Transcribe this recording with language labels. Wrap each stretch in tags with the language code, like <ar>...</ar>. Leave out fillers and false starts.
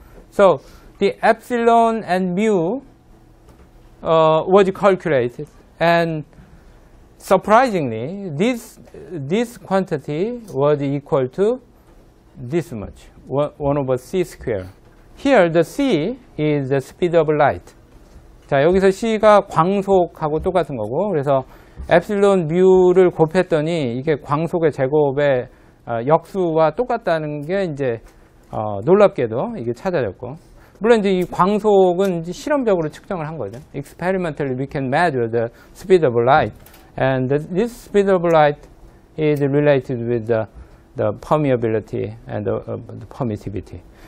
<en>So the epsilon and mu was calculated, and surprisingly, this quantity was equal to this much, 1 over c square. Here, the c is the speed of light.</en> <ko>자, 여기서 c가 광속하고 똑같은 거고, 그래서 epsilon mu를 곱했더니 이게 광속의 제곱의 역수와 똑같다는 게 이제 놀랍게도 이게 찾아졌고. 물론 이제 이 광속은 이제 실험적으로 측정을 한 거죠.</ko> <en>Experimentally, we can measure the speed of light, and this speed of light is related with the permeability and the permittivity.</en>